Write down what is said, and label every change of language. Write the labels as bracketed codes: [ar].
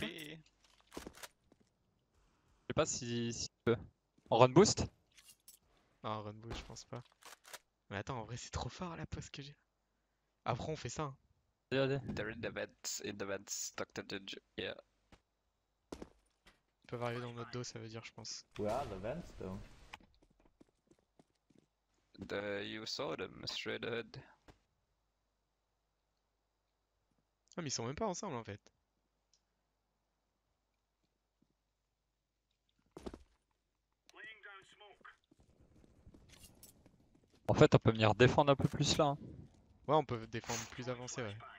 [fr] Je sais pas si tu peux. En run boost? Non run boost je pense pas. Mais attends en vrai c'est trop fort la poste que j'ai. Après on fait ça. [en] They're in the vents, Dr. Dinge, yeah. [fr] Ils peuvent arriver dans notre dos, ça veut dire, je pense. [en] Where are the vents, though? The, you saw them, straight ahead. [fr] Ah, mais ils sont même pas ensemble, en fait. [en] Down smoke. [fr] En fait, on peut venir défendre un peu plus là. Ouais, on peut défendre plus avancé, ouais.